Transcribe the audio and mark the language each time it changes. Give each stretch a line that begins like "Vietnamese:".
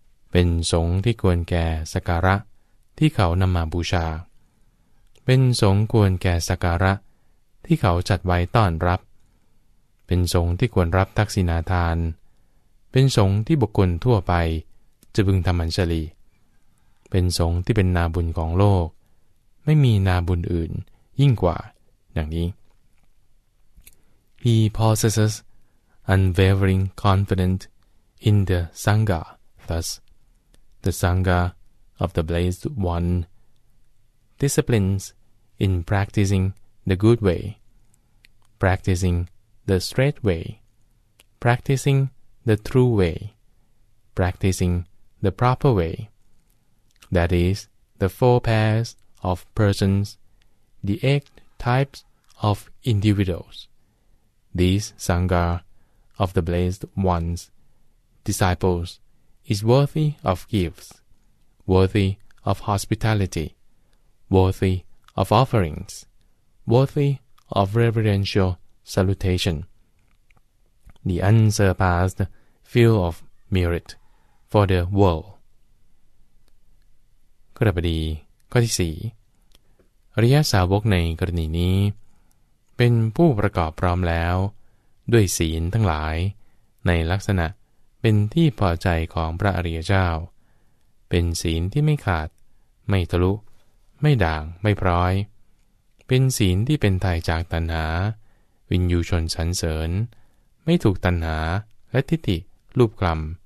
Thai: เป็นสงฆ์ที่ควรแก่สักการะที่เขานำมาบูชาเป็นสงฆ์ควรแก่สักการะที่เขาจัดไว้ต้อนรับเป็นสงฆ์ที่ควรรับทักษิณาทานเป็นสงฆ์ที่บุคคลทั่วไปจะพึงทำอัญชลีเป็นสงฆ์ที่เป็นนาบุญของโลกไม่มีนาบุญอื่นยิ่งกว่าดังนี้
English: He possesses unwavering confidence in the Sangha. Thus, the Sangha of the Blessed One disciplines in practicing the good way, practicing the straight way, practicing the true way, practicing the proper way, that is, the four pairs of persons, the 8 types of individuals. These Sangha of the Blessed Ones, disciples, is worthy of gifts, worthy of hospitality, worthy of offerings, worthy of reverential salutation. The unsurpassed field of merit for the world.
Thai: กรณีข้อที่ 4. อริยสาวกในกรณีนี้เป็นผู้ประกอบพร้อมแล้วด้วยศีลทั้งหลายในลักษณะเป็นที่พอใจของพระอริยเจ้า เป็นศีลที่ไม่ขาดไม่ทะลุไม่ด่างไม่พร้อยเป็นศีลที่เป็นไถ่จากตัณหาวินยูชนสรรเสริญไม่ถูกตัณหาและทิฏฐิรูปกลัม